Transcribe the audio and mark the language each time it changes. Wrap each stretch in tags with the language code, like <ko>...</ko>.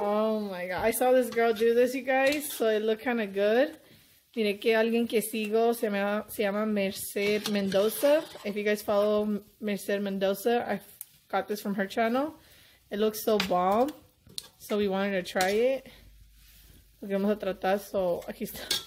<en>Oh my God, I saw this girl do this, you guys, so it looked kind of good.</en> <es>Mire que alguien que sigo se llama Merced Mendoza.</es> <en>If you guys follow Merced Mendoza, I got this from her channel. It looks so bomb. So we wanted to try it.</en> <es>Lo que vamos a tratar, so aquí está.</es>